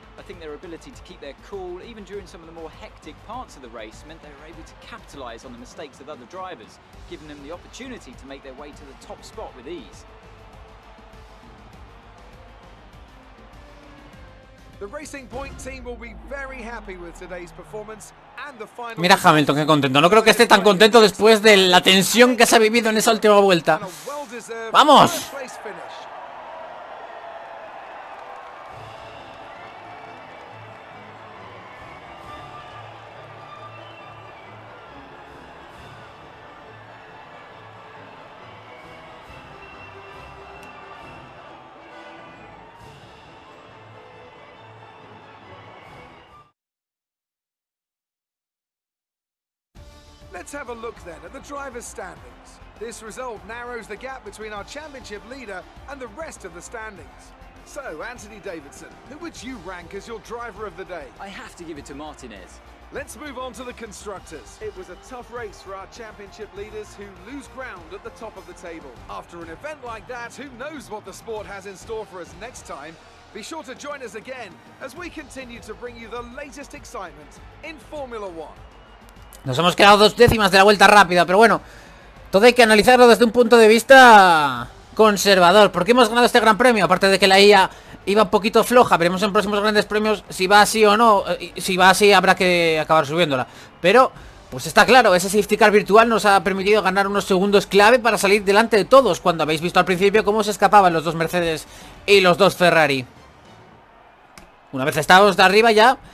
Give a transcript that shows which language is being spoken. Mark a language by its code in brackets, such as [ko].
[en] I think their ability to keep their cool, even during some of the more hectic parts of the race, meant they were able to capitalize on the mistakes of other drivers, giving them the opportunity to make their way to the top spot with ease. The Racing Point team will be very happy with today's performance. [es] Mira Hamilton, qué contento. No creo que esté tan contento después de la tensión que se ha vivido en esa última vuelta. ¡Vamos! [en] Let's have a look then at the drivers' standings. This result narrows the gap between our championship leader and the rest of the standings. So, Anthony Davidson, who would you rank as your driver of the day? I have to give it to Martinez. Let's move on to the constructors. It was a tough race for our championship leaders, who lose ground at the top of the table. After an event like that, who knows what the sport has in store for us next time? Be sure to join us again as we continue to bring you the latest excitement in Formula One. [es] Nos hemos quedado dos décimas de la vuelta rápida, pero bueno, todo hay que analizarlo desde un punto de vista conservador. ¿Por qué hemos ganado este gran premio? Aparte de que la IA iba un poquito floja, veremos en próximos grandes premios si va así o no. Si va así, habrá que acabar subiéndola. Pero, pues está claro, ese safety car virtual nos ha permitido ganar unos segundos clave para salir delante de todos, cuando habéis visto al principio cómo se escapaban los dos Mercedes y los dos Ferrari. Una vez estábamos de arriba ya,